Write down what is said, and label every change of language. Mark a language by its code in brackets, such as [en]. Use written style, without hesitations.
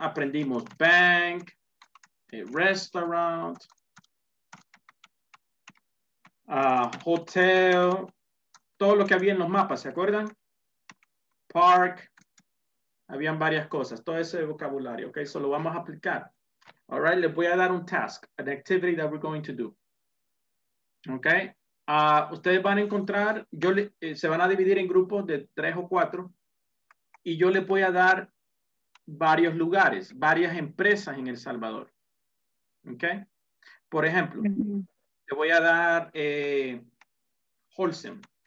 [es] Aprendimos bank, restaurant, hotel, todo lo que había en los mapas, ¿se acuerdan? Park, habían varias cosas, todo ese vocabulario, ¿ok? Solo vamos a aplicar. [en] All right, [es] les voy a dar un [en] task, an activity that we're going to do. [es] ¿Ok? Ustedes van a encontrar, se van a dividir en grupos de 3 o 4 y yo les voy a dar varios lugares, varias empresas en El Salvador. ¿Ok? Por ejemplo, te voy a dar Holcim.